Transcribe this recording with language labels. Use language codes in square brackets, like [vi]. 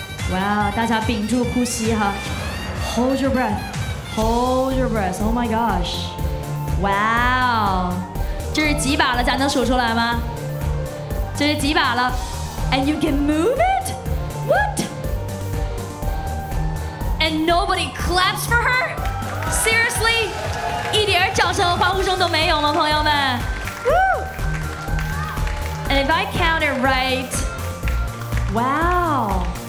[en] Wow, [zh] 大家屏住呼吸哈, [en] hold your breath, hold your breath, oh my gosh. [zh] Wow, 这是几把了, 咱能数出来吗? 这是几把了, [en] and you can move it? What? And nobody claps for her? Seriously? [zh] 一点掌声欢呼声都没有吗, 朋友们? [en] Woo! And if I count it right, wow.